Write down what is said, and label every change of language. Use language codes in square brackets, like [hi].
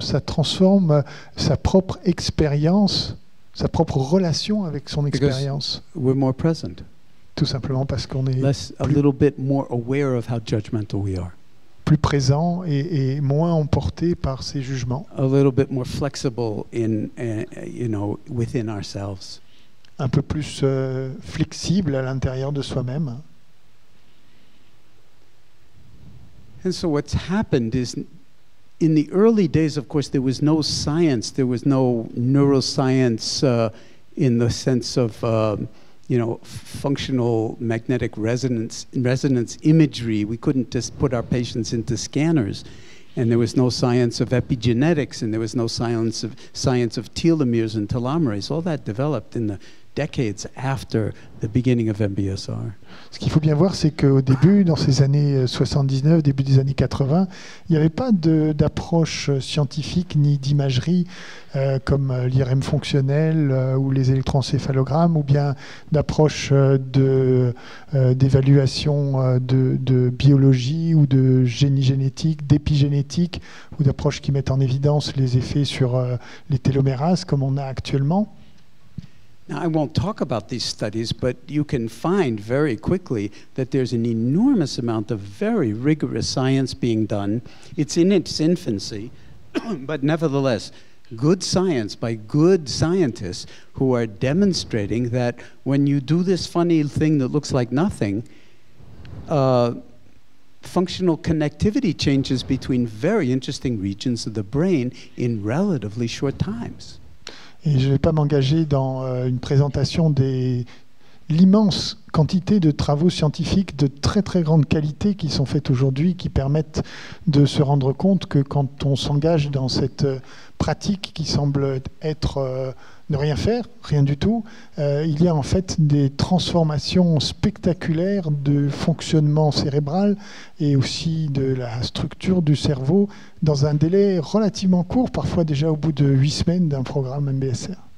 [fr] Ça transforme sa propre expérience, sa propre relation avec son expérience. [en] Because we're more present. [fr] Tout simplement parce qu'on est [en] less, a little bit more aware of how judgmental we are. [fr] Plus présent et moins emporté par ses jugements. [en] A little bit more flexible in, you know, within ourselves. [fr] Un peu plus flexible à l'intérieur de soi-même. [en] And so what's happened is, in the early days, of course, there was no science, there was no neuroscience in the sense of, you know, functional magnetic resonance imagery. We couldn't just put our patients into scanners, and there was no science of epigenetics, and there was no science of telomeres and telomerase. All that developed in the decades after the beginning of MBSR. [fr] Ce qu'il faut bien voir, c'est qu'au début, dans ces années 79, début des années 80, il n'y avait pas d'approche scientifique ni d'imagerie comme l'IRM fonctionnel ou les électroencéphalogrammes ou bien d'approche d'évaluation de biologie ou de génie génétique, d'épigénétique ou d'approche qui mettent en évidence les effets sur les télomérases comme on a actuellement. [en] Now, I won't talk about these studies, but you can find very quickly that there's an enormous amount of very rigorous science being done. It's in its infancy, but nevertheless, good science by good scientists who are demonstrating that when you do this funny thing that looks like nothing, functional connectivity changes between very interesting regions of the brain in relatively short times. [fr] Et je ne vais pas m'engager dans une présentation des l'immense quantité de travaux scientifiques de très très grande qualité qui sont faits aujourd'hui, qui permettent de se rendre compte que quand on s'engage dans cette pratique qui semble être ne rien faire, rien du tout, il y a en fait des transformations spectaculaires de fonctionnement cérébral et aussi de la structure du cerveau dans un délai relativement court, parfois déjà au bout de 8 semaines d'un programme MBSR.